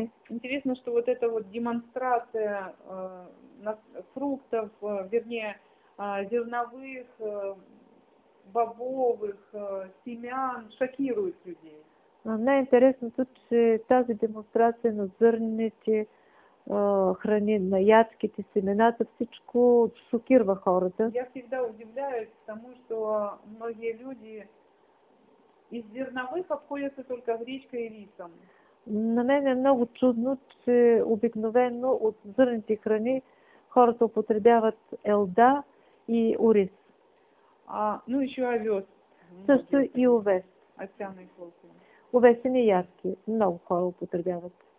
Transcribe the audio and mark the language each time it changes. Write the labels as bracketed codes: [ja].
[ru] Интересно, что вот эта вот демонстрация фруктов, вернее, зерновых, бобовых, семян шокирует людей. [bg] Най-интересното, че тази демонстрация на зърнените храни, на ядките, семената, всичко шокира хората. [ru] Я всегда удивляюсь тому, что многие люди Из зерновых обходятся только гречка и рисом. [bg] На мен е много чудно, че обикновено от зърнените храни хората употребяват елда и ориз. [ru] А, ну еще овес. [bg] Също и овес. [ru] Овсяные хлопья. [bg] Овесени ястки много хора употребяват.